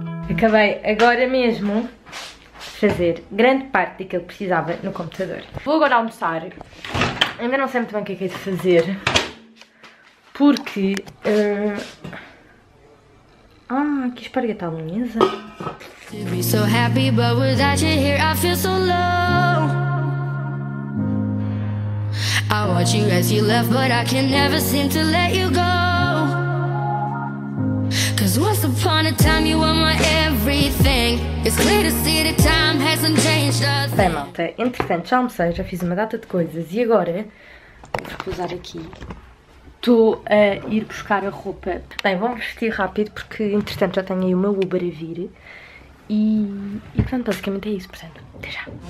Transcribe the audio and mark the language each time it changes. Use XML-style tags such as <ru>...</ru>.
<pt>Acabei agora mesmo de fazer grande parte daquilo que precisava no computador. Vou agora almoçar, ainda não sei muito bem o que é que é de fazer, porque... Ah, que espargueta alunesa.</pt> <en>So happy, but without you here, I feel so low. I want you as you left, but I can never seem to let you go. Cause once upon a time you were my everything. It's clear to see the time hasn't changed us.</en> <pt>Bem, malta, entretanto, já almocei, já fiz uma data de coisas e agora vou usar aqui. Estou a ir buscar a roupa. Bem, vamos vestir rápido porque entretanto já tenho aí o meu Uber a vir. E pronto, basicamente é isso, portanto, até já.</pt>